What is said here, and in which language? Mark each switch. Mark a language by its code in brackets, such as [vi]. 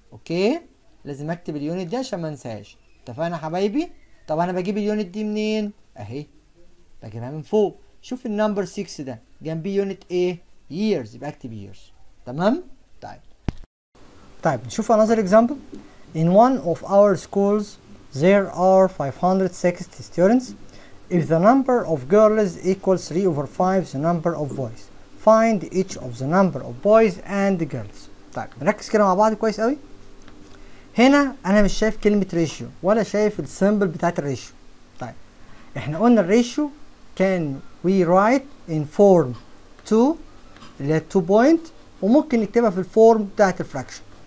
[ar] اوكي لازم اكتب اليونت دي عشان ما انساهاش، اتفقنا يا حبايبي؟ طب انا بجيب اليونت دي منين؟ اهي بجيبها من فوق، شوف النمبر 6 ده جنبي يونت ايه؟ years، يبقى اكتب years. تمام طيب طيب نشوف [en] another example. In one of our schools there are 560 students. If the number of girls equals 3 over 5 the number of boys, find each of the number of boys and girls. [ar] طيب نركز كده مع بعض كويس قوي. هنا انا مش شايف كلمة ratio ولا شايف السيمبل بتاعت الريشيو. طيب احنا قلنا الريشيو [en] can we write in form 2 [ar] اللي هي 2 point، وممكن نكتبها في الفورم بتاعت الفراكشن.